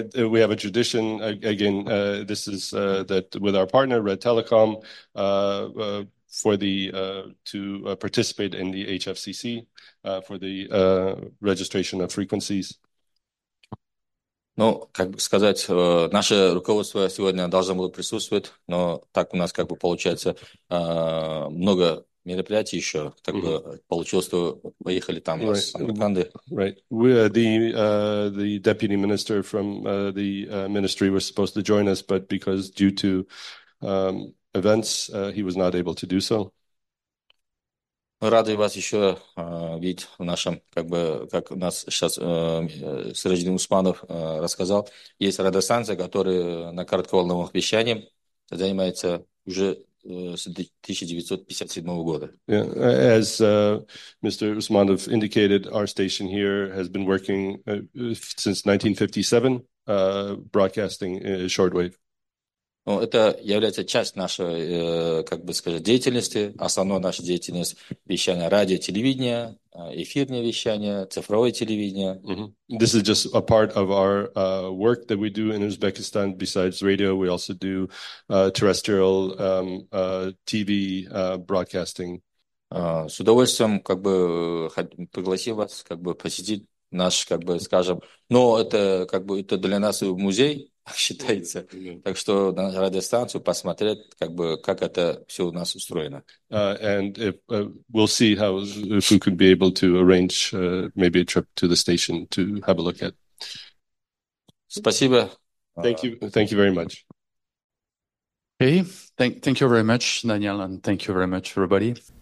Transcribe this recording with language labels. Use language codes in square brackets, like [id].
[en] We have a tradition again. This is that with our partner Ritelecom. For the to participate in the HFCC for the registration of frequencies. [ru] Ну, как бы сказать, наше руководство сегодня должно было присутствовать, но так у нас как бы получается много мероприятий еще, так бы получилось, что поехали там с Самарканды. [en] Right. We the deputy minister from the ministry was supposed to join us, but because due to events, he was not able to do so. [ru] Рады вас еще видеть в нашем, как бы, как нас сейчас Сиражиддин Усманов рассказал, есть радиостанция, которая на коротковолновом вещании занимается уже с 1957 года. [en] Yeah, as Mr. Usmanov indicated, our station here has been working since 1957, broadcasting shortwave. [ru] Ну, это является часть нашей, как бы сказать, деятельности, основной нашей деятельности вещания радио, телевидения, эфирное вещание, цифровое телевидение. Mm-hmm. [en] This is just a part of our work that we do in Uzbekistan. Besides radio, we also do terrestrial TV broadcasting. [ru] С удовольствием, как бы, пригласил вас, как бы, посетить наш, как бы, скажем, но это, как бы, это для нас музей. Считается. Так что на радиостанцию посмотреть, как бы, как это все у нас устроено. [en] And if, we'll see how, if we could be able to arrange maybe a trip to the station to have a look at. [ru] Спасибо. [en] Thank you very much. Hey, thank you very much, Daniel, and thank you very much, everybody.